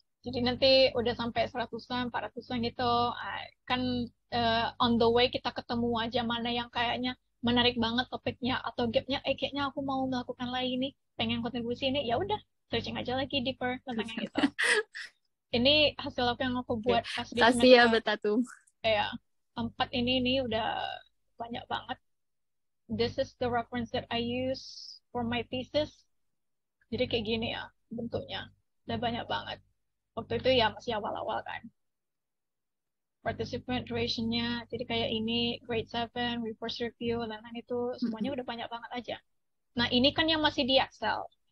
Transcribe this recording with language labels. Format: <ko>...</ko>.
<id>Jadi nanti udah sampai 100-an, 400-an gitu, kan</id> <en>on the way</en> <id>kita ketemu aja mana yang kayaknya menarik banget topiknya atau gapnya, kayaknya aku mau melakukan lagi ini, pengen kontribusi ini, ya udah searching aja lagi deeper tentang yang itu. Ini hasil apa yang aku buat pas di sini. Kasih ya, Betatum. Iya. Empat ini udah banyak banget.</id> <en>This is the reference that I use for my thesis.</en> <id>Jadi kayak gini ya bentuknya. Udah banyak banget. Waktu itu ya masih awal-awal kan. Participant duration-nya. Jadi kayak ini grade 7, reverse review, dan lain-lain itu. Semuanya udah banyak banget aja. Nah ini kan yang masih di Excel.</id>